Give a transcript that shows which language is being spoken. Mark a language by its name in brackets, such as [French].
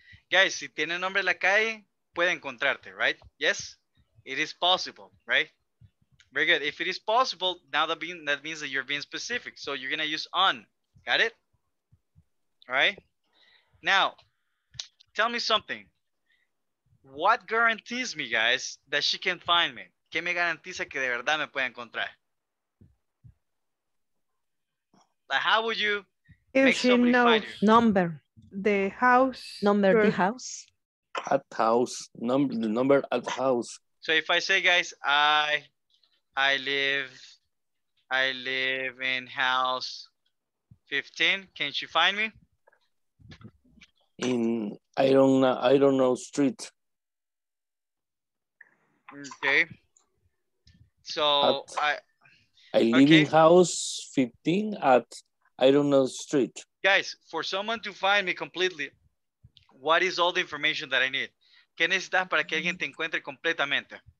[Spanish] Guys, si tiene nombre la calle, puede encontrarte, right? [English] Yes, it is possible, right? Very good. If it is possible, now that means that you're being specific. So you're going to use on. Got it? All right. Now, tell me something. What guarantees me, guys, that she can find me? [Spanish] ¿Qué me garantiza que de verdad me puede encontrar? [English] Like, how would you if make somebody find you? Number. The house. Number the house. At house. The number at house. So if I say, guys, I live in house 15. Can she find me? In I don't know street. Okay. So I live in house 15 at I don't know the street. Guys, for someone to find me completely, what is all the information that I need? [Spanish] ¿Qué necesitas para que alguien te encuentre completamente?